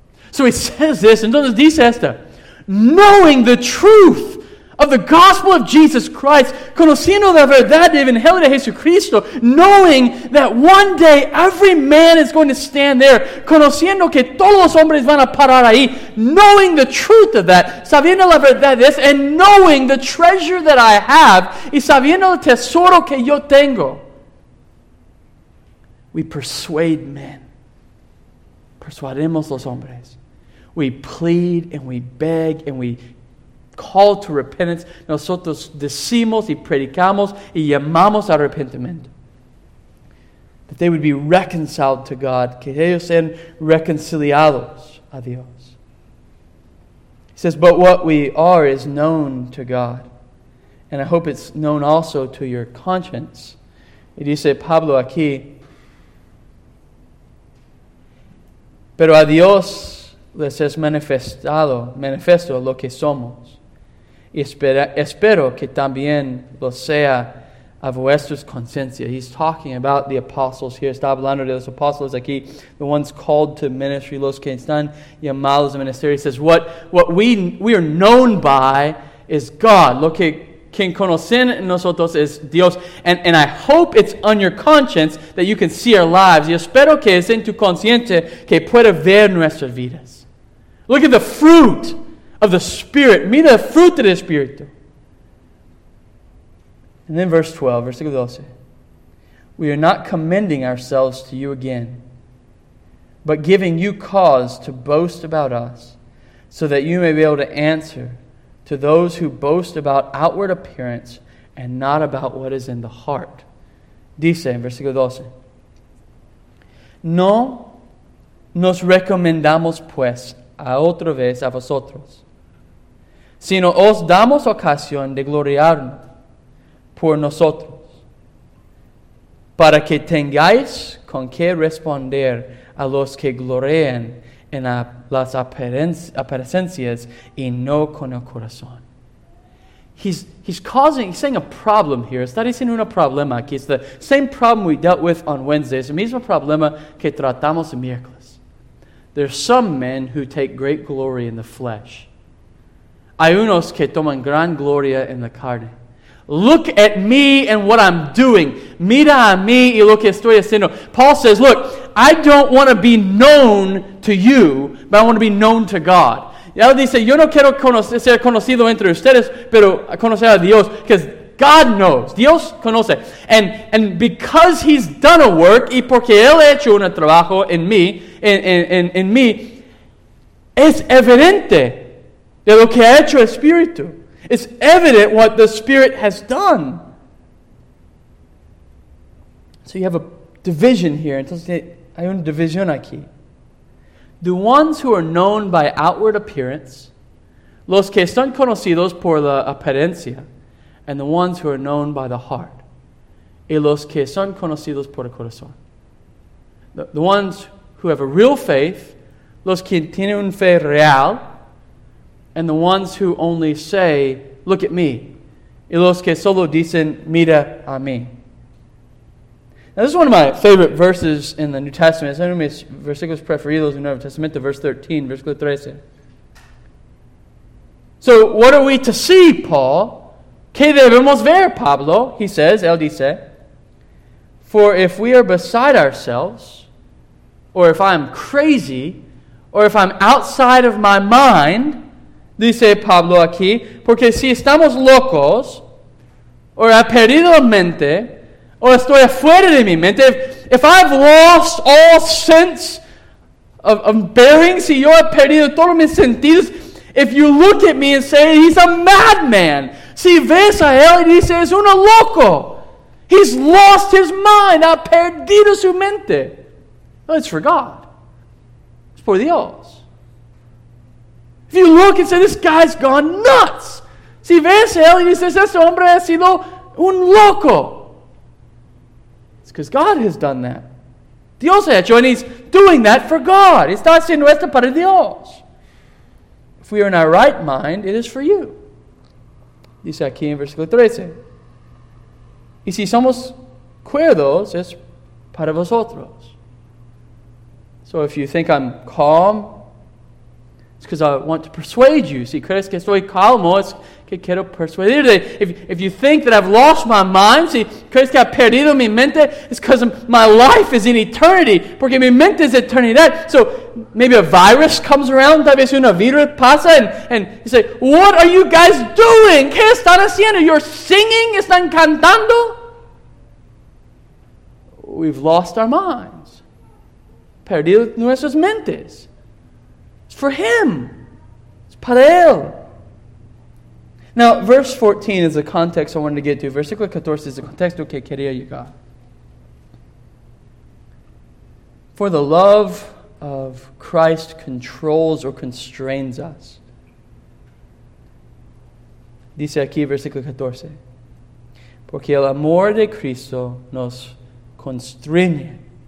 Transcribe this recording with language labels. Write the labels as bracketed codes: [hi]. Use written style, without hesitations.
[en] So he says this, [es] entonces dice esto. [en] Knowing the truth of the gospel of Jesus Christ, [es] conociendo la verdad del Evangelio de Jesucristo, [en] knowing that one day every man is going to stand there, [es] conociendo que todos los hombres van a parar ahí, [en] knowing the truth of that, [es] sabiendo la verdad de eso, [en] and knowing the treasure that I have, [es] y sabiendo el tesoro que yo tengo, [en] we persuade men. [es] Persuademos los hombres. [en] We plead and we beg and we call to repentance. [es] Nosotros decimos y predicamos y llamamos a arrepentimiento. [en] That they would be reconciled to God. [es] Que ellos sean reconciliados a Dios. [en] He says, but what we are is known to God. And I hope it's known also to your conscience. [es] Y dice Pablo aquí, pero a Dios les es manifiesto lo que somos. Y espero que también lo sea a vuestras conciencias. [en] He's talking about the apostles here. [es] Está hablando de los apostles aquí. [en] The ones called to ministry. [es] Los que están llamados a ministerio. [en] He says, what we are known by is God. [es] Lo que quien conocen nosotros es Dios. [en] And I hope it's on your conscience that you can see our lives. [es] Y espero que es en tu conciencia que pueda ver nuestras vidas. [en] Look at the fruit of the Spirit. [es] Mira el fruto del Espíritu. [en] And then verse 12. We are not commending ourselves to you again, but giving you cause to boast about us, so that you may be able to answer to those who boast about outward appearance and not about what is in the heart. [es] Dice, en versículo 12. No nos recomendamos pues a otra vez a vosotros, sino os damos ocasión de gloriarnos por nosotros, para que tengáis con qué responder a los que gloríen en las apariencias y no con el corazón. [en] He's saying a problem here. [es] Está diciendo un problema aquí. [en] It's the same problem we dealt with on Wednesday. [es] Es el mismo problema que tratamos el miércoles. [en] There are some men who take great glory in the flesh. [es] Hay unos que toman gran gloria en la carne. [en] Look at me and what I'm doing. [es] Mira a mí y lo que estoy haciendo. [en] Paul says, look, I don't want to be known to you, but I want to be known to God. [es] Y él dice, yo no quiero ser conocido entre ustedes, pero conocer a Dios, [en] because God knows. [es] Dios conoce. [en] And because he's done a work, [es] y porque él ha hecho un trabajo en mí, en mí, es evidente de lo que ha hecho el Espíritu. [en] It's evident what the Spirit has done. So you have a division here. [es] Entonces, hay una división aquí. [en] The ones who are known by outward appearance, [es] los que están conocidos por la apariencia, [en] and the ones who are known by the heart, [es] y los que son conocidos por el corazón. [en] The ones who have a real faith, [es] los que tienen una fe real, [en] and the ones who only say, look at me. [es] Y los que solo dicen, mira a mí. [en] Now this is one of my favorite verses in the New Testament. It's one of my [es] versículos preferidos [en] in the Nuevo Testamento, verse 13, [es] versículo 13. [en] So what are we to see, Paul? [es] ¿Qué debemos ver, Pablo? [en] He says, [es] él dice, [en] for if we are beside ourselves, or if I'm crazy, or if I'm outside of my mind, [es] dice Pablo aquí, porque si estamos locos, o he perdido la mente, o estoy afuera de mi mente, [en] if I've lost all sense of bearing, [es] si yo he perdido todos mis sentidos, [en] if you look at me and say, he's a madman. [es] Si ves a él y dices, es un loco. [en] He's lost his mind, [es] ha perdido su mente. [en] No, it's for God. It's for Dios. If you look and say, this guy's gone nuts. [es] Si ves a él y dices, este hombre ha sido un loco. [en] It's because God has done that. [es] Dios ha hecho, [en] and he's doing that for God. [es] Está haciendo esto para Dios. [en] If we are in our right mind, it is for you. [es] Dice aquí en versículo 13. Y si somos cuerdos, es para vosotros. [en] So if you think I'm calm, it's because I want to persuade you. [es] Si crees que estoy calmo, es que quiero persuadirte. [en] If you think that I've lost my mind, [es] si crees que ha perdido mi mente, [en] it's because my life is in eternity. [es] Porque mi mente es eternidad. [en] So maybe a virus comes around, [es] tal vez una virus pasa, [en] and you say, what are you guys doing? [es] ¿Qué están haciendo? [en] You're singing? [es] ¿Están cantando? [en] We've lost our minds. [es] Perdido nuestras mentes. [en] It's for him. It's [es] para él. [en] Now, verse 14 is the context I wanted to get to. [es] Versículo 14 [en] is the context [es] que quería llegar. [en] For the love of Christ controls or constrains us. [es] Dice aquí, versículo 14. Porque el amor de Cristo nos constriñe.